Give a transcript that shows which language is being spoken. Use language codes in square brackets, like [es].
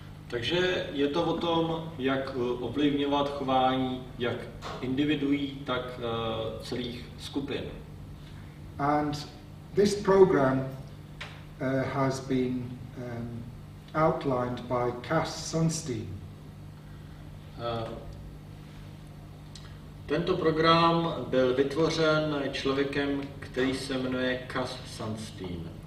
[cs] Takže je to o tom, jak ovlivňovat chování jak individuí, tak celých skupin. [en] And this program has been outlined by Cass Sunstein. [cs] Tento program byl vytvořen člověkem, který se jmenuje Cass Sunstein.